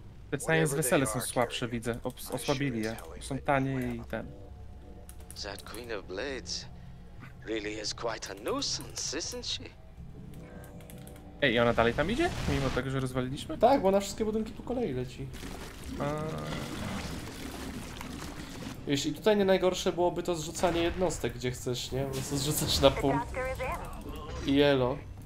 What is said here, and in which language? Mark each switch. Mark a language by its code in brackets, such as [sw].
[pl] Te cenie z wesele są słabsze, widzę. Osłabili je. Są tanie i ten. [en] Ta Queen of Blades really is quite a nuisance, isn't she? [pl] Ej, i ona dalej tam idzie? Mimo tego, że rozwaliliśmy? Tak, bo ona wszystkie budynki po kolei leci. Jeśli tutaj nie najgorsze byłoby to zrzucanie jednostek, gdzie chcesz, nie? Po prostu zrzucać na punkt. I elo.